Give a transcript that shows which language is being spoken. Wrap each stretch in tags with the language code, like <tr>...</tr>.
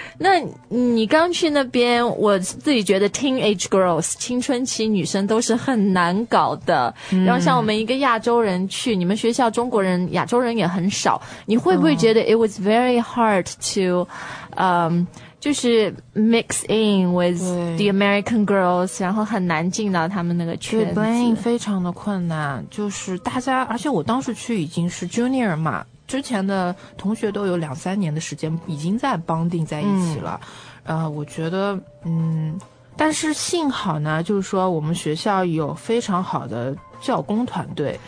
<zh>那你刚去那边，我自己觉得 teenage girls, 青春期女生都是很难搞的、嗯。然后像我们一个亚洲人去，你们学校中国人、亚洲人也很少。你会不会觉得</zh> <en>it was very hard to, 就是 mix in with the American girls，</en> <zh>然后很难进到他们那个圈子。对 ，blending 非常的困难，就是大家，而且我当时去已经是 junior 嘛，之前的同学都有两三年的时间已经在 bonding 在一起了。我觉得，但是幸好呢，就是说我们学校有非常好的教工团队，</zh>